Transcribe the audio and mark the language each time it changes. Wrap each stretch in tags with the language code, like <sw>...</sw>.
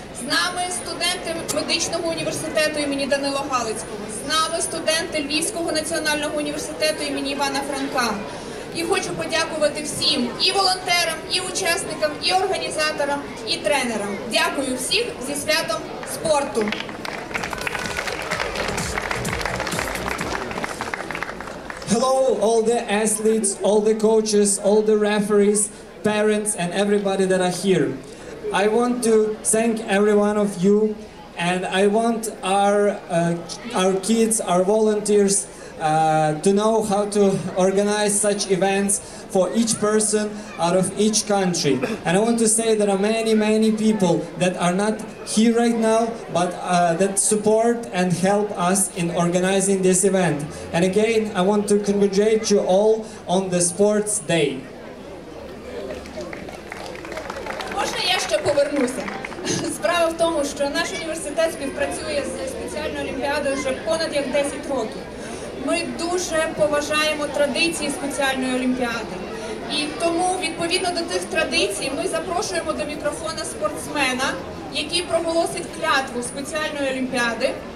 <uk>З нами студенти медичного університету імені Данила Галицького, з нами студенти Львівського національного університету імені Івана Франка. І хочу подякувати всім, і волонтерам, і учасникам, і організаторам, і тренерам. Дякую всіх зі святом спорту!</uk> <en>Hello all the athletes, all the coaches, all the referees, parents and everybody that are here. I want to thank every one of you, and I want our kids, our volunteers, to know how to organize such events for each person out of each country. And I want to say there are many, many people that are not here right now, but that support and help us in organizing this event. And again, I want to congratulate you all on the Sports Day.</en> <uk>Повернуся. Справа в тому, що наш університет співпрацює з спеціальною олімпіадою вже понад як 10 років. Ми дуже поважаємо традиції спеціальної олімпіади. І тому, відповідно до тих традицій, ми запрошуємо до мікрофона спортсмена, який проголосить клятву спеціальної олімпіади.</uk>